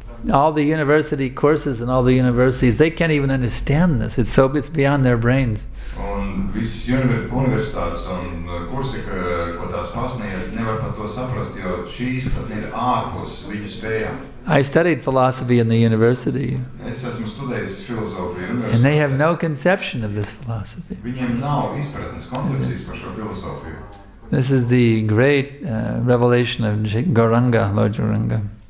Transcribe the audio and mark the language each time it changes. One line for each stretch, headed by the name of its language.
English: All the university courses and all the universities, they can't even understand this. It's beyond their brains.
Latvian: Un visas universitātes un kursi, ko tās pasniedz, nevar pat to saprast, jo šīs pat ir ārpus viņu spējām.
English: I studied philosophy in the university.
Latvian: Es esmu studējis filozofiju universitātē.
English: And they have no conception of this philosophy.
Latvian: Viņiem nav izpratnes koncepcijas par šo filozofiju.
English: This is the great revelation of Gauranga, Lord Gauranga.